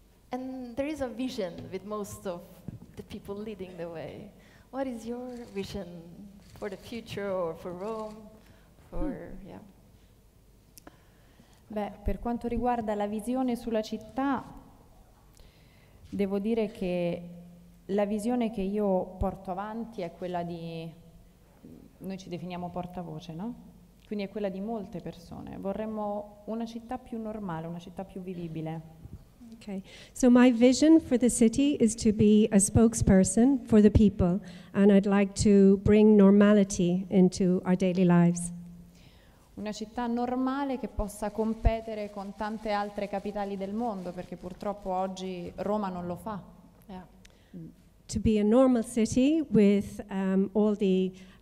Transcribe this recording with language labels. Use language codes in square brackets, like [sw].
[en] And there is a vision with most of the people leading the way. What is your vision for the future or for Rome? For, yeah. [it] Beh, per quanto riguarda la visione sulla città, devo dire che la visione che io porto avanti è quella di, noi ci definiamo portavoce, no? Quindi è quella di molte persone. Vorremmo una città più normale, una città più vivibile. [en] Okay, so my vision for the city is to be a spokesperson for the people, and I'd like to bring normality into our daily lives. [it] Una città normale che possa competere con tante altre capitali del mondo, perché purtroppo oggi Roma non lo fa. [en] Yeah. To be a normal city with all the